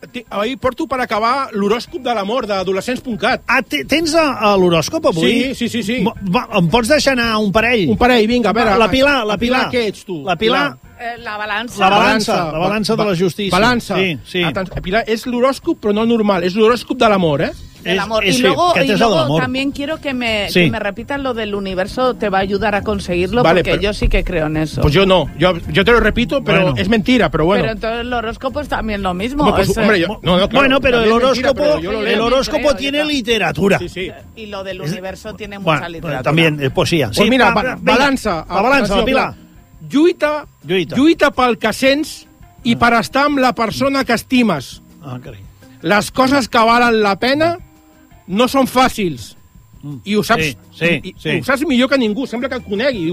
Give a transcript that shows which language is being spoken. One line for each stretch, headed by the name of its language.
Catalan: Ahir porto per acabar l'horòscop de l'amor d'adolescents.cat. Ah, tens l'horòscop avui? Sí. Em pots deixar anar un parell? Un parell, vinga, a veure. La Pilar. Què ets tu? La Pilar. La balança de la justícia. Balança. Sí. Pilar, és l'horòscop, però no normal. És l'horòscop de l'amor,
Spanish: Y luego también quiero que me repitan lo del universo, te va a ayudar a conseguirlo, vale, porque yo sí que creo en eso. Pues yo no. Yo te lo repito, pero bueno. Es mentira, pero bueno. Pero entonces el horóscopo es también lo mismo. Pero el horóscopo, tiene literatura. Sí. Y lo del universo tiene mucha literatura. También es poesía. Pues mira, balança, Pilar.
Catalan: Lluita pel que sents i per estar amb la persona que estimes. Les coses que valen la pena no són fàcils. I ho saps, sí. Ho saps millor que ningú, sembla que et conegui.